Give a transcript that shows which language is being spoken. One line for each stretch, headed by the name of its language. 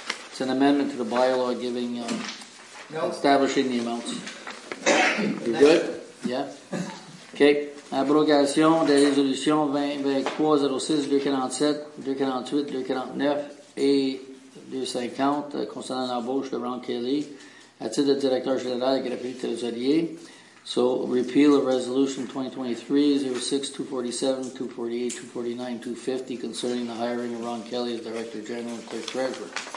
English: It's an amendment to the bylaw giving, establishing the amounts. You good? Yeah. OK.
French: Abrogation des résolutions 2023-06-247-248-249-250 concernant l'embauche de Ron Kelly à titre de directeur général de graphie trésorier.
English: So, repeal of resolution 2023-06-247-248-249-250 concerning the hiring of Ron Kelly as director general and clerk treasurer.